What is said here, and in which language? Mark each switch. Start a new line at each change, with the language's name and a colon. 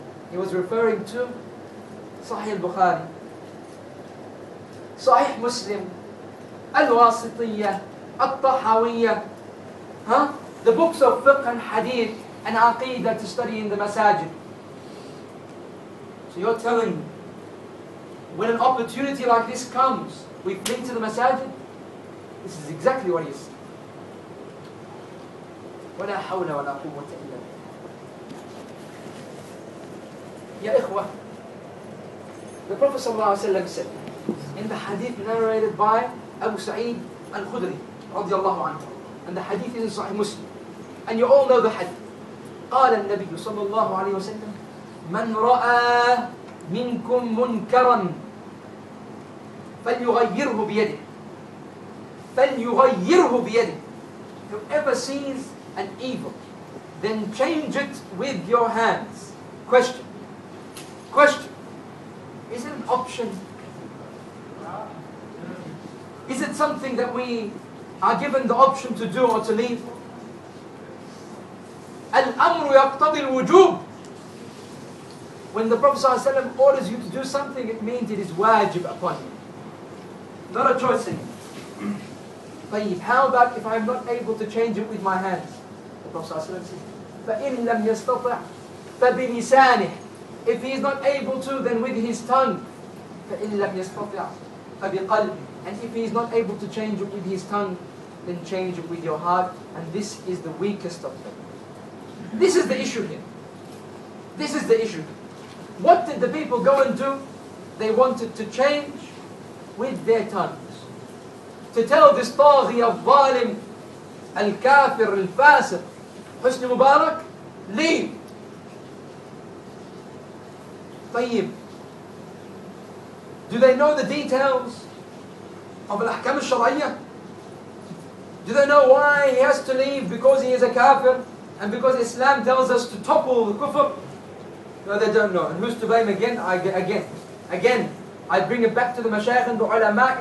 English: He was referring to Sahih al-Bukhari, Sahih Muslim, Al-Wasitiyah, Al-Tahawiyah, huh? The books of Fiqh and Hadith and Aqeedah to study in the Masajid. So you're telling me, when an opportunity like this comes, we flee to the Masajid? This is exactly what he said.
Arabic: ولا حول ولا قوة إلا بالله. يا إخوة,
English: the Prophet
Arabic: صلى الله عليه وسلم
English: said in the hadith narrated by Abu Sa'id al-Khudri
Arabic: رضي الله عنه,
English: and the hadith is in Sahih Muslim, and you all know the hadith.
Arabic: قال النبي صلى الله عليه وسلم من رأى منكم منكرا فليغيره بيده فليغيره بيده.
English: Whoever sees an evil, then change it with your hands. Question. Is it an option? Is it something that we are given the option to do or to leave?
Arabic: Al-amru yaqtadi al-wujub.
English: When the Prophet ﷺ orders you to do something, it means it is wajib upon you. Not a choice anymore. Tayyib, how about if I'm not able to change it with my hands?
Arabic: فَإِنْ لَمْ يَسْتَطَعْ فَبِلِسَانِهِ.
English: If he is not able to, then with his tongue.
Arabic: فَإِنْ لَمْ يَسْتَطَعْ فَبِقَلْبِهِ.
English: And if he is not able to change it with his tongue, then change it with your heart. And this is the weakest of them. This is the issue here. This is the issue. What did the people go and do? They wanted to change with their tongues. To tell this
Arabic: طاغي الظالم الكافر الفاسق حسن مبارك
English: leave. طيب Do they know the details of
Arabic: الأحكام الشرعية?
English: Do they know why he has to leave? Because he is a kafir and because Islam tells us to topple the kufr? No, they don't know. And who's to blame again? Again, I bring it back to the mashayikh and the ulama.